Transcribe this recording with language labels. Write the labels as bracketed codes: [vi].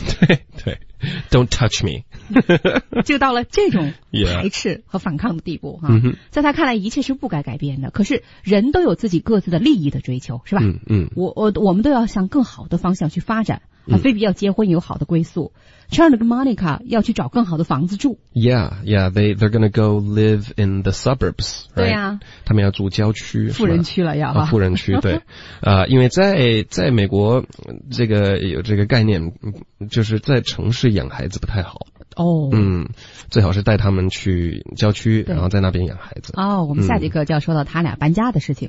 [zh] 对对。 [en] Don't touch me. [zh] 就到了这种排斥和反抗的地步、 yeah. 啊、在他看来一切是不该改变的，可是人都有自己各自的利益的追求，是吧？嗯嗯。我们都要向更好的方向去发展。啊、菲比要结婚有好的归宿、嗯、Chandler 跟 Monica 要去找更好的房子住。 [en] Yeah, yeah, they're gonna go live in the suburbs, right? [zh] 对啊。他们要住郊区。富人区了要啊。富人区，对。因为在美国这个有这个概念，就是在城市养孩子不太好。哦、 oh, ，嗯，最好是带他们去郊区，然后在那边养孩子。哦、oh, ，我们下节课就要说到他俩搬家的事情。